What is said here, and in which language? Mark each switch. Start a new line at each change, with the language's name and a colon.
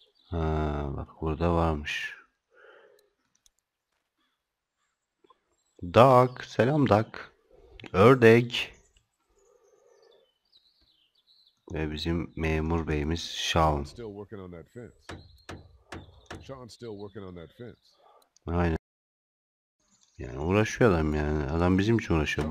Turkish: Ha, bak burada varmış. Duck, selam Duck. Ördek. Ve bizim memur beyimiz Sean.
English: Still working on that fence. Sean's still working on that fence.
Turkish: Aynen. Yani uğraşıyor adam yani. Adam bizim için uğraşıyor.